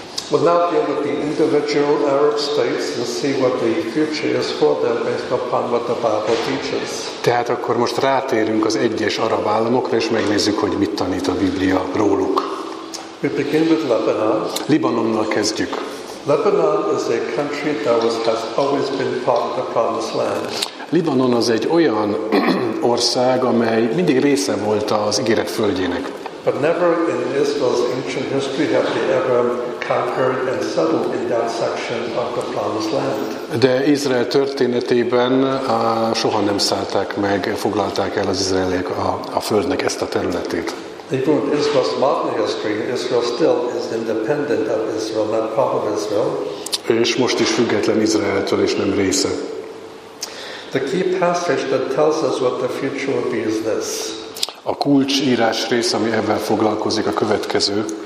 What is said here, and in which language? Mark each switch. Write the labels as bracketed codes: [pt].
[en] would now deal with the individual Arab states and see what the future is for them based upon what the Bible teaches. [hu] Tehát akkor most rátérünk az egyes arab államokra és megnézzük, hogy mit tanít a Biblia róluk. [en] We begin with Lebanon. [hu] Libanonnal kezdjük. [en] Lebanon is a country that has always been part of the Promised Land. [hu] Libanon az egy olyan ország, amely mindig része volt az ígéret földjének. [en] But never in Israel's ancient history have they ever conquered and settled in that section of the Promised Land. [hu] De Izrael történetében soha nem szállták meg, foglalták el az izraeliek a földnek ezt a területét. [en] Even in Israel's modern history, Israel still is independent of Israel, not part of Israel. [hu] És most is független Izraeltől és nem része. [en] The key passage that tells us what the future will be is this. [hu] A kulcsírás rész, ami ebben foglalkozik, a következő.